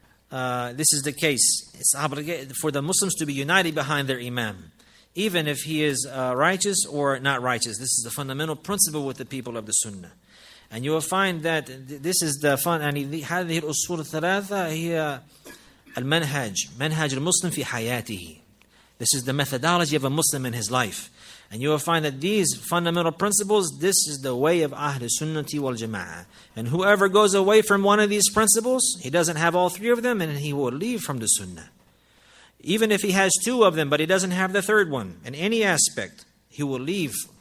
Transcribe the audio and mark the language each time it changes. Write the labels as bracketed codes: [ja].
[en] This is the case. It's obligated for the Muslims to be united behind their imam, even if he is righteous or not righteous. This is the fundamental principle with the people of the Sunnah. And you will find that this is the fun. And [ar] هذه الأصول الثلاثة هي المنهج منهج المسلم في حياته. [en] This is the methodology of a Muslim in his life. And you will find that these fundamental principles, this is the way of Ahl Sunnati wal Jama'ah. And whoever goes away from one of these principles, he doesn't have all three of them, and he will leave from the Sunnah. Even if he has two of them, but he doesn't have the third one, in any aspect, he will leave.